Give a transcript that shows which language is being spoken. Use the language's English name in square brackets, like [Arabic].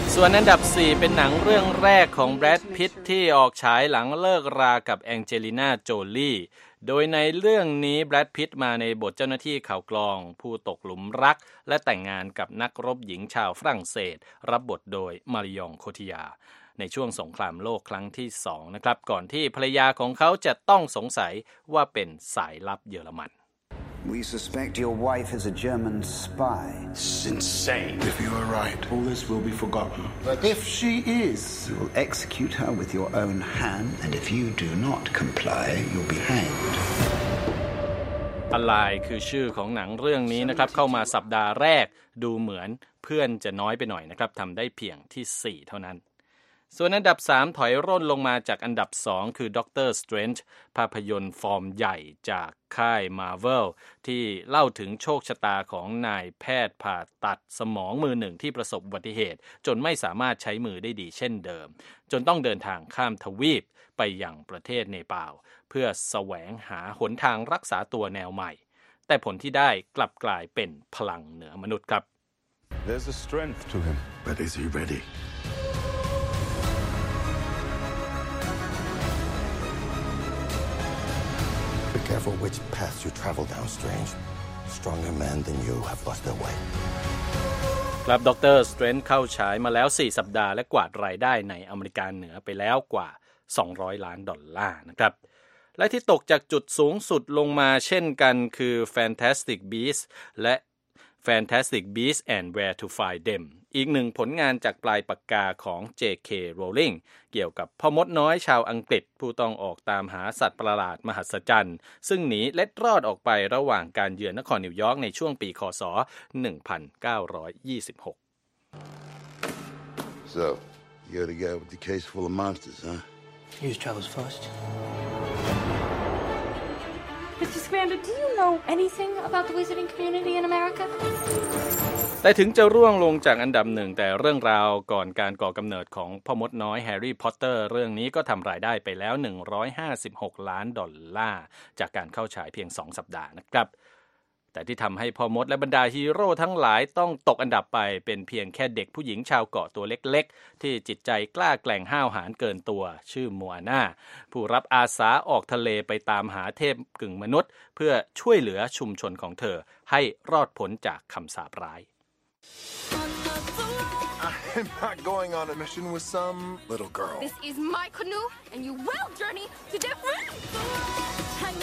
[Thai] ส่วนอันดับ4เป็นหนังเรื่องแรกของแบรดพิตต์ที่ออกฉายหลังเลิกรากับแองเจลิน่าโจลี่โดยในเรื่องนี้แบรดพิตต์มาในบทเจ้าหน้าที่ข่าวกลองผู้ตกหลุมรักและแต่งงานกับนักรบหญิงชาวฝรั่งเศสรับบทโดยมาริยองโคติยาในช่วงสงครามโลกครั้งที่2นะครับก่อนที่ภรรยาของเขาจะต้องสงสัยว่าเป็นสายลับเยอรมัน [English] We suspect your wife is a German spy. It's insane. If you are right, all this will be forgotten. But if she is, you will execute her with your own hand, and if you do not comply, you'll be hanged. [Thai] Alive คือชื่อของหนังเรื่องนี้นะครับเข้ามาสัปดาห์แรกดูเหมือนเพื่อนจะน้อยไปหน่อยนะครับทำได้เพียงที่4เท่านั้น ส่วนอันดับ3ถอยร่นลงมาจากอันดับ2คือด็อกเตอร์สเตรนจ์ภาพยนตร์ฟอร์มใหญ่จากค่าย Marvel ที่เล่าถึงโชคชะตาของนายแพทย์ผ่าตัดสมองมือหนึ่งที่ประสบอุบัติเหตุจนไม่สามารถใช้มือได้ดีเช่นเดิม จนต้องเดินทางข้ามทวีปไปยังประเทศเนปาลเพื่อแสวงหาหนทางรักษาตัวแนวใหม่แต่ผลที่ได้กลับกลายเป็นพลังเหนือมนุษย์ครับ [English] There's a strength to him but is he readyCareful which paths you travel down, Strange. Stronger men than you have lost their way. [Thai] ครับ Dr. Strange เข้าฉายมาแล้ว4สัปดาห์และกวาดรายได้ในอเมริกาเหนือไปแล้วกว่า200ล้านดอลลาร์นะครับและที่ตกจากจุดสูงสุดลงมาเช่นกันคือ Fantastic Beasts และ Fantastic Beasts and Where to Find Them อีกหนึ่งผลงานจากปลายปากกาของ J.K. Rowling เกี่ยวกับพ่อมดน้อยชาวอังกฤษผู้ต้องออกตามหาสัตว์ประหลาดมหัศจรรย์ซึ่งหนีเล็ดรอดออกไประหว่างการเยือนนครนิวยอร์กในช่วงปีค.ศ. [English] 1926 So, you're the guy with the case full of monsters, huh? He was travels first. Mr. Scamander, do you know anything about the wizarding community in America? [Thai] แต่ถึงจะร่วงลงจากอันดับหนึ่งแต่เรื่องราวก่อนการก่อกำเนิดของพ่อมดน้อยแฮร์รี่พอตเตอร์เรื่องนี้ก็ทำรายได้ไปแล้ว156ล้านดอลลาร์จากการเข้าฉายเพียง2สัปดาห์นะครับ แต่ที่ทำให้พ่อมดและบรรดาฮีโร่ทั้งหลายต้องตกอันดับไปเป็นเพียงแค่เด็กผู้หญิงชาวเกาะตัวเล็กๆที่จิตใจกล้าแกล่งห้าวหาญเกินตัวชื่อมัวนาผู้รับอาสาออกทะเลไปตามหาเทพกึ่งมนุษย์เพื่อช่วยเหลือชุมชนของเธอให้รอดพ้นจากคำสาปร้ายUh-huh. [English] I'm not going on a mission with some little girl. This is my canoe, and you will journey to different...